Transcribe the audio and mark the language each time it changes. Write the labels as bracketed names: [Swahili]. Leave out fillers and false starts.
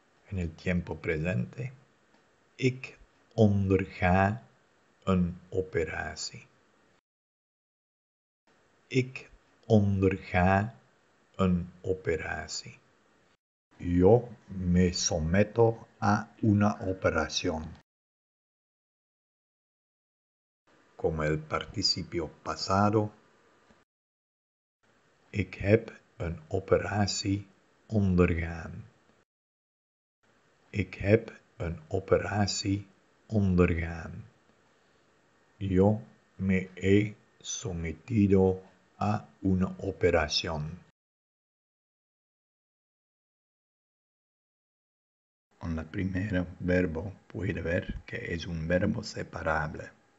[Spanish] En el tiempo presente, ik onderga een operatie. [Dutch] Ik onderga een operatie. [Spanish] Yo me someto a una operación. [Dutch] Como el participio pasado, ik heb een operatie ondergaan. Ik heb een operatie ondergaan. [Spanish] Yo me he sometido a una operación. En la primera verbo puede ver que es un verbo separable.